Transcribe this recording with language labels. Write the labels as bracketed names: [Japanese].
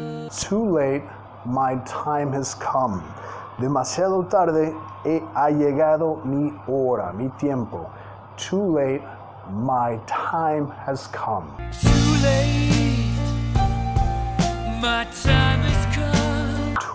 [English] Too late, my time has come. [Spanish] Demasiado tarde, ha llegado mi hora, mi tiempo. [English] Too late, my time has come. Too late, my time has come.